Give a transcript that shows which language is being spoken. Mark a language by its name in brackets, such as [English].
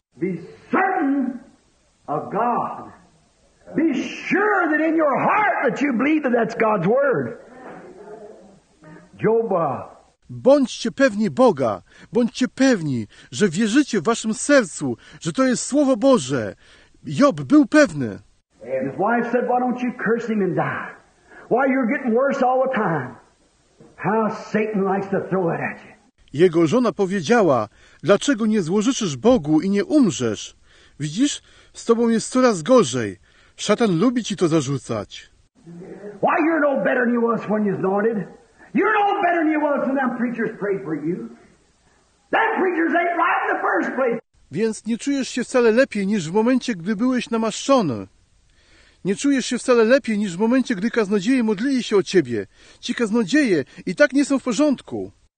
[English] Be certain of God. Be sure that in your heart that you believe that that's God's word. [Polish] Joba. Bądźcie pewni Boga, bądźcie pewni, że wierzycie w waszym sercu, że to jest Słowo Boże. Job był pewny. [English] His wife said, why don't you curse him and die? Why, you're getting worse all the time. How Satan likes to throw it at you. [Polish] Jego żona powiedziała, dlaczego nie złorzeczysz Bogu i nie umrzesz? Widzisz, z tobą jest coraz gorzej. Szatan lubi ci to zarzucać. [English] Why, you're no better than you was when you started. You're no better than you was when them preachers prayed for you. Them preachers ain't right in the first place. [Polish] Więc nie czujesz się wcale lepiej niż w momencie, gdy byłeś namaszczony. Nie czujesz się wcale lepiej niż w momencie, gdy kaznodzieje modlili się o ciebie. Ci kaznodzieje i tak nie są w porządku.